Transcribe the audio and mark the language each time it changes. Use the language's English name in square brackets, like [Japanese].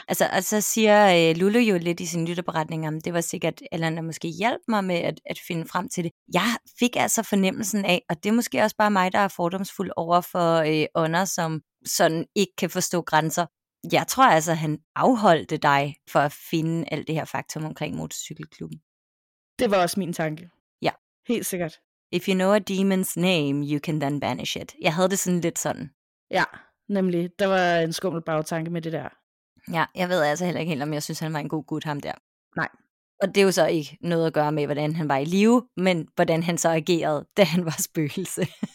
[Danish] Altså, og så siger Lulu jo lidt i sin lytterberetning, om det var sikkert, eller der måske hjalp mig med at finde frem til det. Jeg fik altså fornemmelsen af, og det er måske også bare mig, der er fordomsfuld over for ånder, som sådan ikke kan forstå grænser. Jeg tror altså, han afholdte dig for at finde alt det her faktum omkring motorcykelklubben. Det var også min tanke. Ja. Helt sikkert. [English] If you know a demon's name, you can then banish it. [Danish] Jeg havde det sådan lidt sådan. Ja, nemlig. Der var en skummel bagtanke med det der. Ja, jeg ved altså heller ikke helt, om jeg synes, han var en god gut, ham der. Nej. Og det er jo så ikke noget at gøre med, hvordan han var i live, men hvordan han så agerede, da han var spøgelse.